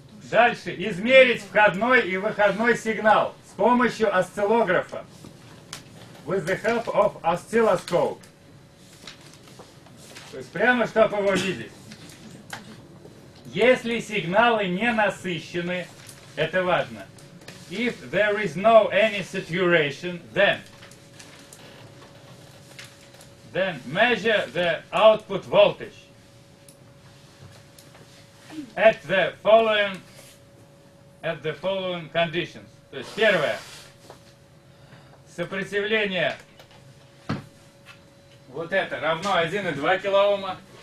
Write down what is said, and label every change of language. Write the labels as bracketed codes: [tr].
[ru] Дальше. Измерить входной и выходной сигнал с помощью осциллографа. [en] With the help of oscilloscope. [ru] То есть прямо, чтобы его видеть. Если сигналы не насыщены, это важно. [en] If there is no any saturation, then measure the output voltage at the following conditions. [ru] То есть первое. Сопротивление вот это равно 1,2 килоома.